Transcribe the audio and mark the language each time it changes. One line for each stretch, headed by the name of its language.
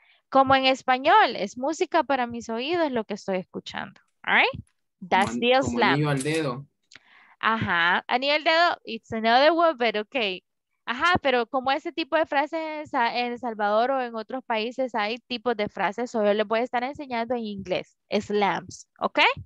Spanish: Como en español, es música para mis oídos lo que estoy escuchando,
English: all right? That's the slam.
Spanish: Anillo al dedo. Ajá, anillo al dedo,
English: it's another word, but okay.
Spanish: Ajá, pero como ese tipo de frases en El Salvador o en otros países hay tipos de frases, so yo les voy a estar enseñando en inglés, slams, ¿ok?